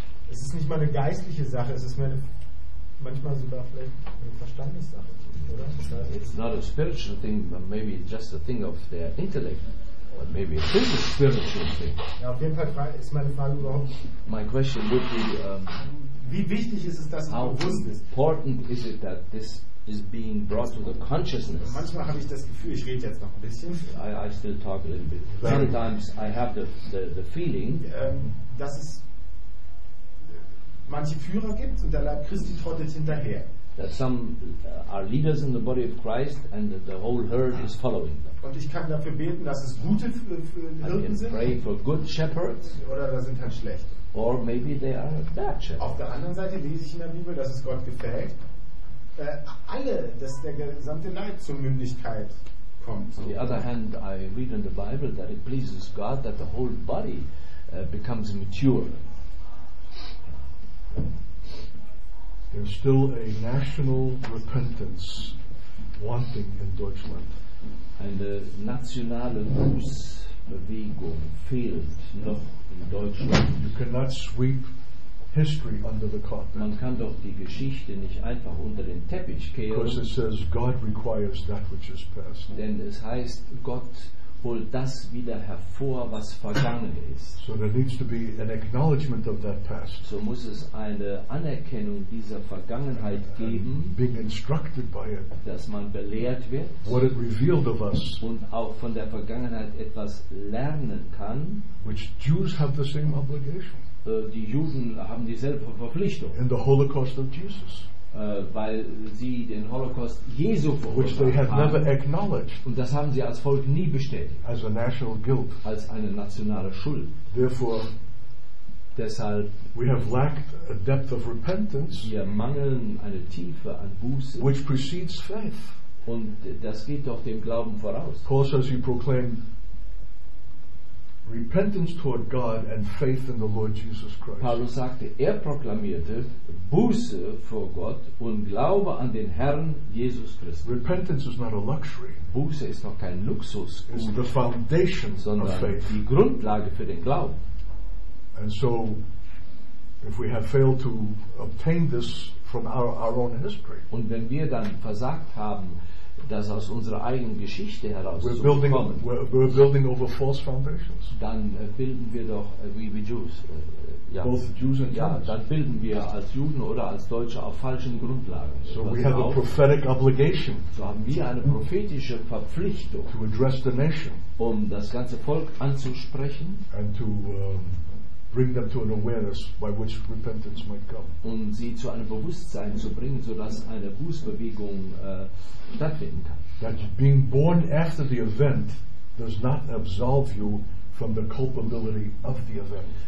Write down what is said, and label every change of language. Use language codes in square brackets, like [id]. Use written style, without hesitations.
[de] Es ist nicht mal eine geistliche Sache, es ist mehr manchmal sogar vielleicht eine Verstandessache, oder? [en] It's not a spiritual thing, but maybe just a thing of their intellect. Or maybe a physical spiritual thing. [de] Ja, auf jeden Fall ist meine Frage überhaupt. [en] My question would be, [de] wie wichtig ist es, dass es bewusst ist? [en] How important is it that this is being brought to the consciousness. [de] Manchmal habe ich das Gefühl, ich rede jetzt noch ein bisschen. [en] I still talk a little bit. Sometimes I have the feeling, [de] dass es manche Führer gibt und der Leib Christi trottet hinterher. [en] That some are leaders in the body of Christ and that the whole herd is following them. [de] Und ich kann dafür beten, dass es gute Hirten sind. [en] Pray for good shepherds. [de] Oder da sind halt schlechte. [en] Or maybe they are bad shepherds. [de] Auf der anderen Seite lese ich in der Bibel, dass es Gott gefällt. Alle, dass der gesamte Leib zur Mündigkeit kommt. [en] On the other hand, I read in the Bible that it pleases God that the whole body becomes mature. There's still a national repentance wanting in Deutschland. [de] Eine nationale Bußbewegung fehlt noch in Deutschland. [en] You cannot sweep history under the carpet. [de] Man kann doch die Geschichte nicht einfach unter den Teppich kehren. [en] Because it says God requires that which is past. [de] Denn es heißt, Gott holt das wieder hervor, was vergangen ist. [en] So there needs to be an acknowledgement of that past. [de] So muss es eine Anerkennung dieser Vergangenheit geben. [en] And being instructed by it. [de] Dass man belehrt wird. [en] What it revealed of us. [de] Und auch von der Vergangenheit etwas lernen kann. [en] Which Jews have the same obligation. [de] Die Juden haben dieselbe Verpflichtung. [en] In the Holocaust of Jesus. [de] Weil sie den Holocaust Jesu verursacht [en] which they [de] haben. [en] Never acknowledged. [de] Und das haben sie als Volk nie bestätigt. [en] As a national guilt. [de] Als eine nationale Schuld. [en] Therefore, [de] deshalb [en] we have lacked a depth of repentance, [de] wir mangeln eine Tiefe an Buße, [en] which precedes faith. [de] Und das geht doch dem Glauben voraus. [en] Paul says, you proclaim repentance toward God and faith in the Lord Jesus Christ. [de] Paulus sagte, er proklamierte Buße vor Gott und Glaube an den Herrn Jesus Christus. [en] Repentance is not a luxury. [de] Buße ist noch kein Luxus. [en] It's the foundation [de] sondern [en] of faith. [de] Die Grundlage für den Glauben. [en] And so, if we have failed to obtain this from our own history, [de] und wenn wir dann versagt haben, das aus unserer eigenen Geschichte heraus [en] we're [de] zu [en] building, [de] kommen, [en] we're building over false foundations. [de] Dann bilden wir doch wie Jews. Ja, [en] both Jews and [de] ja, dann bilden wir als Juden oder als Deutsche auf falschen Grundlagen. [en] So, we have a prophetic obligation, [de] so haben wir eine prophetische Verpflichtung, [en] to address the nation, [de] um das ganze Volk anzusprechen [en] and to, bring them to an awareness by which repentance might come. [de] Und sie zu einem Bewusstsein zu bringen, sodass eine Bußbewegung stattfinden kann. [en] That being born after the event does not absolve you from the culpability of the event.